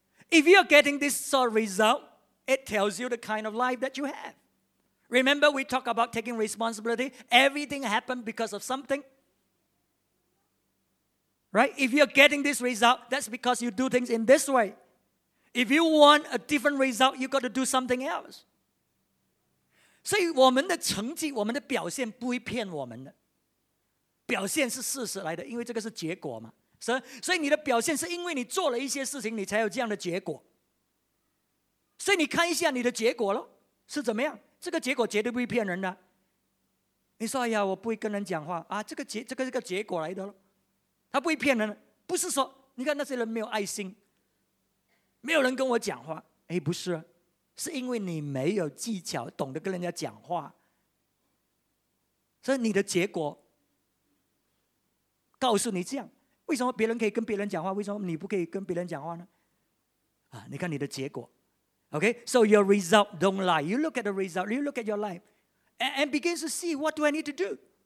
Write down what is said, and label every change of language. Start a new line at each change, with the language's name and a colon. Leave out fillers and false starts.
English: If you're getting this sort of result, it tells you the kind of life that you have. Remember, we talk about taking responsibility. Everything happened because of something. Right? If you're getting this result, that's because you do things in this way. If you want a different result, you've got to do something else.
Chinese: 所以我们的成绩，我们的表现不会骗我们的。表现是事实来的，因为这个是结果嘛。所以你的表现是因为你做了一些事情，你才有这样的结果。所以你看一下你的结果咯，是怎么样？这个结果绝对不会骗人的。你说，哎呀，我不会跟人讲话啊，这个是个结果来的咯。他不会骗人，不是说你看那些人没有爱心，没有人跟我讲话。哎，不是，是因为你没有技巧，懂得跟人家讲话，所以你的结果告诉你这样。为什么别人可以跟别人讲话，为什么你不可以跟别人讲话呢？啊，你看你的结果。Okay,
English: so your result don't lie. You look at the result. You look at your life, and begin to see what do I need to do.